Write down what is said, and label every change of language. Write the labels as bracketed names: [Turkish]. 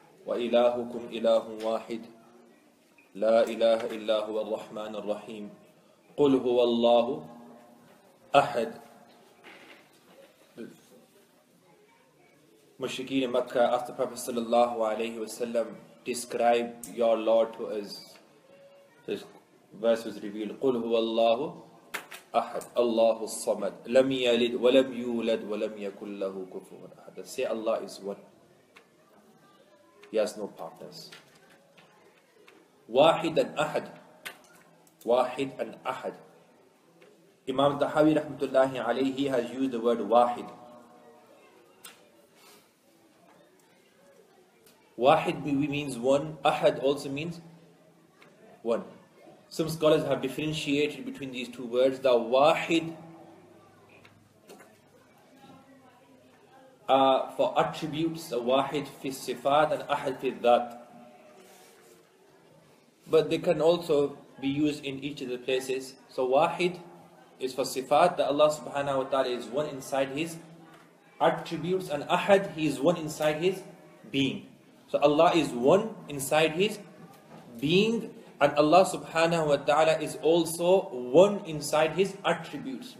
[Arabic] وَإِلَهُكُمْ إِلَهٌ وَاحِدٌ لا إله إلا هو الرحمن الرحيم قل هو الله أحد. [English] Mushrikeen in Mecca asked the Prophet sallallahu alayhi wa sallam, describe your Lord to us. This verse was revealed. [Arabic] قل هو الله أحد. الله الصمد لم يلد ولم يولد ولم يكن له كفوا أحد. [English] Say Allah is one. He has no partners. [Arabic] واحد and أحد. واحد and أحد. [English] Imam Tahawi rahmatullahi alayhi has used the word واحد. واحد means one. أحد also means one. Some scholars have differentiated between these two words. [Arabic] The واحد [English] for attributes, [Arabic] the واحد في الصفات and أحد في الذات. [English] But they can also be used in each of the places. So Wahid is for sifat, that Allah subhanahu wa ta'ala is one inside His attributes, and Ahad, He is one inside His being. So Allah is one inside His being, and Allah subhanahu wa ta'ala is also one inside His attributes.